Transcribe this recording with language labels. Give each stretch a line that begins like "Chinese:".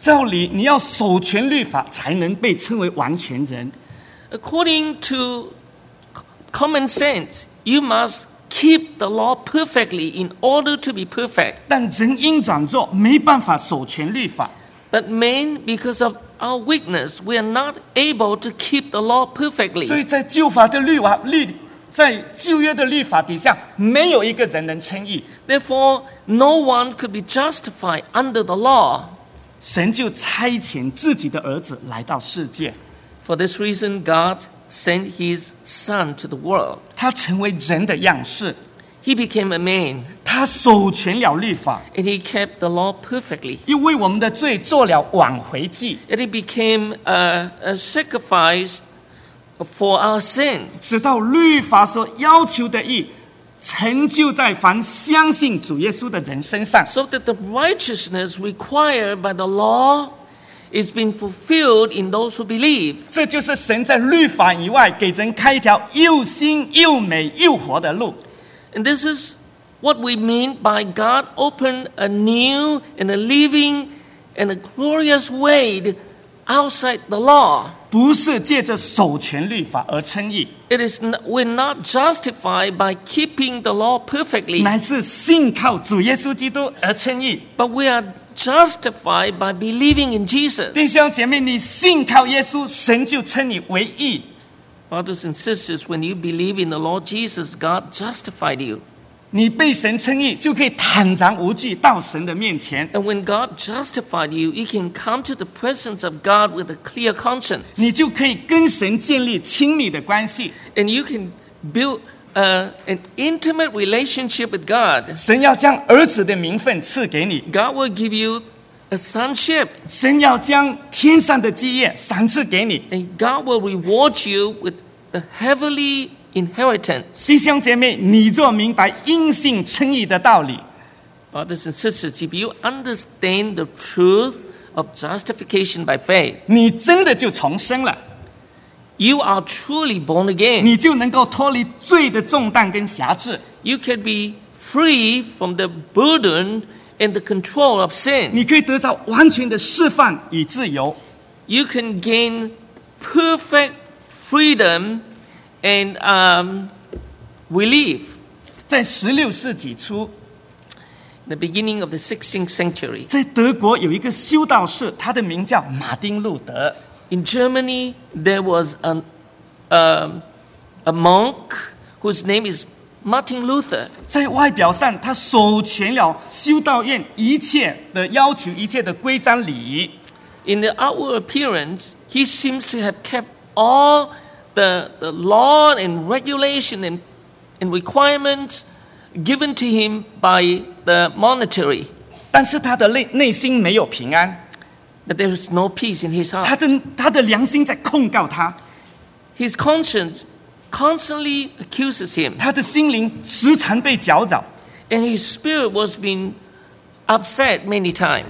Chinese: 照理你要守全律法才能被称为完全人。
English: According to common sense,You must keep the law perfectly in order to be perfect.
Chinese: 但人因软弱没办法守全律法。
English: But men, because of our weakness, we are not able to keep the law perfectly.
Chinese: 所以在旧法的律法律在旧约的律法底下，没有一个人能称义。
English: Therefore, no one could be justified under the law.
Chinese: 神就差遣自己的儿子来到世界。
English: For this reason, God. Sent his son to the world.
Chinese: 他成为人的样式。
English: He became a man.
Chinese: 他守全了律法。
English: And he kept the law perfectly.
Chinese: 又为我们的罪做了挽回祭。
English: And he became a sacrifice for our sin.
Chinese: 直到律法所要求的义成就在凡相信主耶稣的人身上。
English: So that the righteousness required by the law. It's been fulfilled in those who believe.
Chinese: 这就是神在律法以外给人开一条又新又美又活的路。
English: And this is what we mean by God opened a new and a living and a glorious way outside the law.
Chinese: 不是借着守全律法而称义。
English: It is we're not justified by keeping the law perfectly.
Chinese: 乃是信靠主耶稣基督而称义。
English: But we are. Justified by believing in Jesus.
Chinese: 弟兄姐妹，你信靠耶稣，神就称你为义。
English: Brothers and sisters, when you believe in the Lord Jesus, God justified you.
Chinese: 你被神称义，就可以坦然无惧到神的面前。
English: And when God justified you, you can come to the presence of God with a clear conscience.
Chinese: 你就可以跟神建立亲密的关系。
English: And you can build an intimate relationship with God.
Chinese: 神要将儿子的名分赐给你。
English: God will give you a sonship.
Chinese: 神要将天上的基业赏赐给你。
English: And God will reward you with a heavenly inheritance.
Chinese: 弟兄姐妹，你若明白因信称义的道理。
English: Brothers and sisters, if you understand the truth of justification by faith,
Chinese: 你真的就重生了。
English: You are truly born again.
Chinese: 你就能够脱离罪的重担跟辖制。
English: You can be free from the burden and the control of sin.
Chinese: 你可以得到完全的释放与自由。
English: You can gain perfect freedom and relief.
Chinese: 在十六世纪初
English: ，the beginning of the 16th century，
Chinese: 在德国有一个修道士，他的名叫马丁路德。
English: In Germany, there was a monk whose name is Martin Luther.
Chinese: 在外表上，他守全了修道院一切的要求，一切的规章礼仪。
English: In the outward appearance, he seems to have kept all the law and regulation and requirements given to him by the monastery.
Chinese: 但是他的内心没有平安。
English: But there is no peace in his heart.
Chinese: 他的良心在控告他。
English: His conscience constantly accuses him.
Chinese: 他的心灵时常被搅扰。
English: And his spirit was being upset many times.